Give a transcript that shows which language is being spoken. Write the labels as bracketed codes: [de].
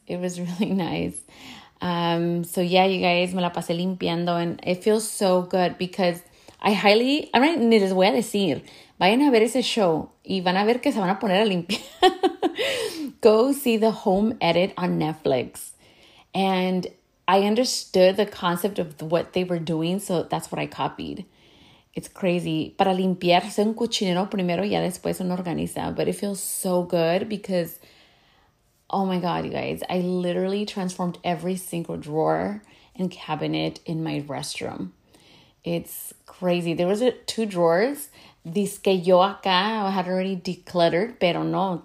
[en] It was really nice. So yeah, you guys, [es] me la pasé limpiando [en] and it feels so good because [es] ni les voy a decir, vayan a ver ese show y van a ver que se van a poner a limpiar. [en] Go see The Home Edit on Netflix. And I understood the concept of what they were doing. So that's what I copied. It's crazy. [es] Para limpiarse un cochinero primero, ya después uno organiza. [en] But it feels so good because, oh my God, you guys, I literally transformed every single drawer and cabinet in my restroom. It's crazy. There was two drawers. [es] Dice que yo acá [en] had already decluttered, [es] pero no.